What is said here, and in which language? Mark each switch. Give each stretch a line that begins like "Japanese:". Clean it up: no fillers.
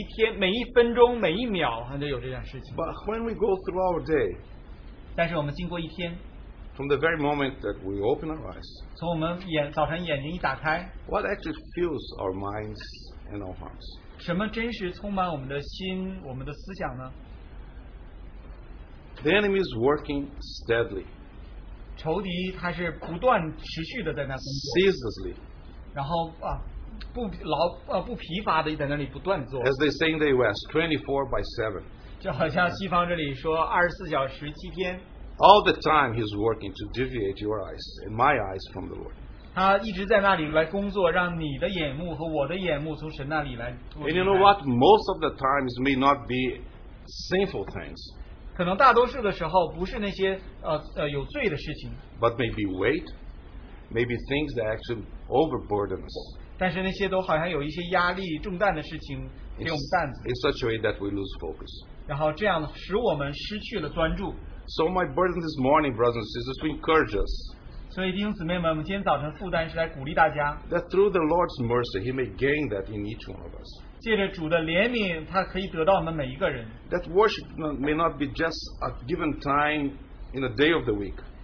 Chinese: 大家觉得好像我有点这个太夸张了，每一好像我讲每一天每一分钟每一秒，好像就有这件事情。
English: But when we go through our day,
Chinese: 但是我们经过一天,
English: from the very moment that we open our eyes,
Chinese: 从我们眼早晨眼睛一打开,
English: what actually fills our minds and our hearts?
Chinese: 什么真实充满我们的心，我们的思想呢？
English: The enemy is working steadily,
Chinese: 仇敌他是不断持续的在那工作，ceaselessly, 然后, 不劳, 不疲乏的在那里不断做,
English: as they say in the US, 24 by 7,
Chinese: 就好像西方这里说, 24小时, 7天,
English: all the time he's working to deviate your eyes and my eyes from the Lord.
Chinese: 他一直在那里来工作, 让你的眼目和我的眼目从神那里来,
English: and you know what? Most of the times may not be sinful things.
Chinese: 可能大多数的时候不是那些,
English: but maybe weight, maybe things that actually overburden us.
Chinese: 但是那些都好像有一些压力, 重担的事情,
English: in such a way that we lose focus.
Chinese: 然后这样使我们失去了专注.
English: So my burden this morning, brothers and sisters, to encourage us,
Chinese: 所以弟兄姊妹们，我们今天早晨负担是来鼓励大家,
English: that through the Lord's mercy, he may gain that in each one of us.
Chinese: 借着主的怜悯，他可以得到我们每一个人。
English: That worship may not be just a given time in a day of the week.